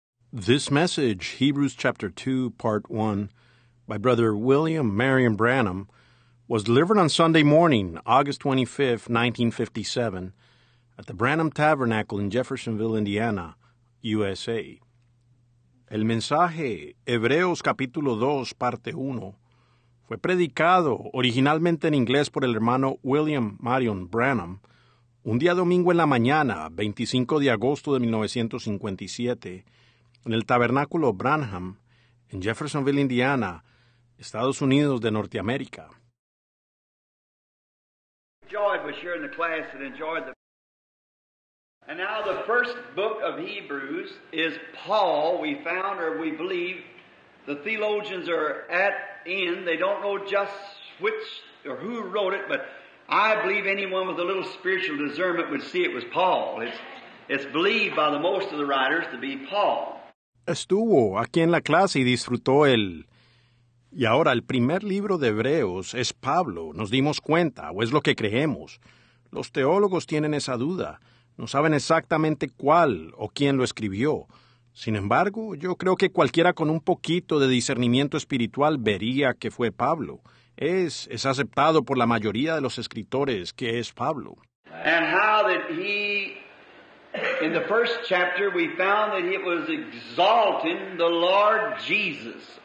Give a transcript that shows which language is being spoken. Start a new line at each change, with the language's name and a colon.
English: This message, Hebrews chapter 2, part 1, by Brother William Marion Branham, was delivered on Sunday morning, August 25, 1957, at the Branham Tabernacle in Jeffersonville, Indiana, USA.
Spanish: El mensaje, Hebreos capítulo 2, parte 1, fue predicado originalmente en inglés por el hermano William Marion Branham, un día domingo en la mañana, 25 de agosto de 1957, en el Tabernáculo Branham, en Jeffersonville, Indiana, Estados Unidos de Norteamérica.
English: Enjoyed, was here in the class and enjoyed the. And now the first book of Hebrews is Paul. We found, or we believe, the theologians are at end. They don't know just which or who wrote it, but I believe anyone with a little spiritual discernment would see it was Paul. It's believed by the most of the writers to be Paul.
Spanish: Estuvo aquí en la clase y disfrutó él. Y ahora el primer libro de Hebreos es Pablo. Nos dimos cuenta, o es lo que creemos. Los teólogos tienen esa duda. No saben exactamente cuál o quién lo escribió. Sin embargo, yo creo que cualquiera con un poquito de discernimiento espiritual vería que fue Pablo. Es aceptado por la mayoría de los escritores que es Pablo.
English: And how did he... In the first chapter, we found that it was exalting the Lord Jesus.